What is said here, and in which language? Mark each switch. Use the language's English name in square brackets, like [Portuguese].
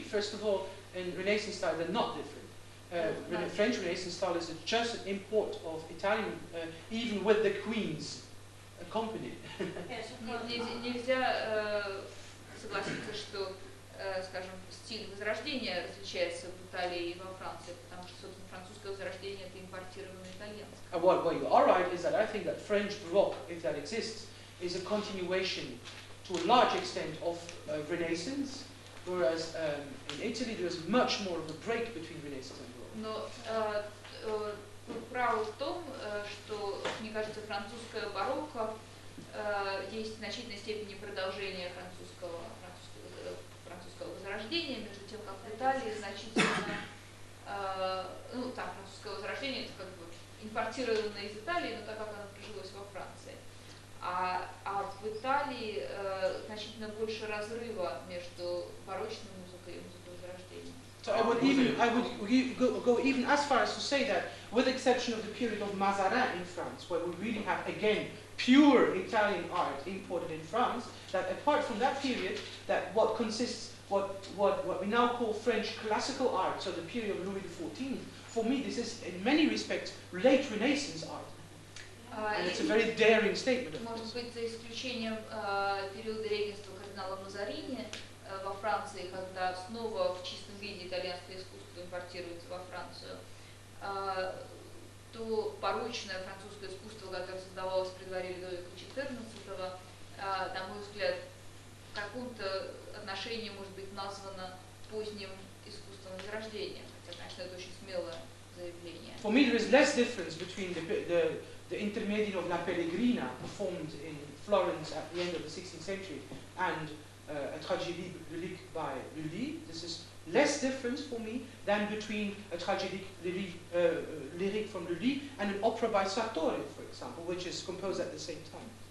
[English] First of all, in Renaissance style, they're not different. French Renaissance style is just an import of Italian, even with the queens accompanied. [Russian] Нельзя согласиться, что, скажем, стиль Возрождения различается в Италии и во Франции, потому что, собственно, французское Возрождение это импортированное итальянское. [English] What you are right is that I think that French Baroque, if that exists, is a continuation to a large extent of Renaissance. Whereas in Italy there is much more of a break between Renaissance and Baroque. [Russian] Но право в том, что, мне кажется, французская барокко есть в значительной степени продолжение французского возрождения, между тем, как в Италии значительно французское возрождение это как бы импортировано из Италии, но так как оно прижилось во Франции. А в Италии значительно больше разрыва между барочной музыкой и музыкой Возрождения. [English] So I would go even as far as to say that, with the exception of the period of Mazarin in France, where we really have again pure Italian art imported in France, that apart from that period, that what consists what we now call French classical art, so the period of Louis XIV, for me this is in many respects late Renaissance art. And it's a very daring statement. [Russian] Может быть, за исключением периода регенства кардинала Мазарини во Франции, когда снова в чистом виде итальянское искусство импортируется во Францию, то порочное французское искусство, которое создавалось при дворе Людовика XIV, на мой взгляд, в каком-то отношении может быть названо поздним искусством Возрождения. Хотя, конечно, это очень смелое заявление. [English] For me, there is less difference between the intermediate of La Pellegrina performed in Florence at the end of the 16th century and a tragédie lyrique by Lully. This is less different for me than between a tragédie lyric from Lully and an opera by Sartori, for example, which is composed at the same time.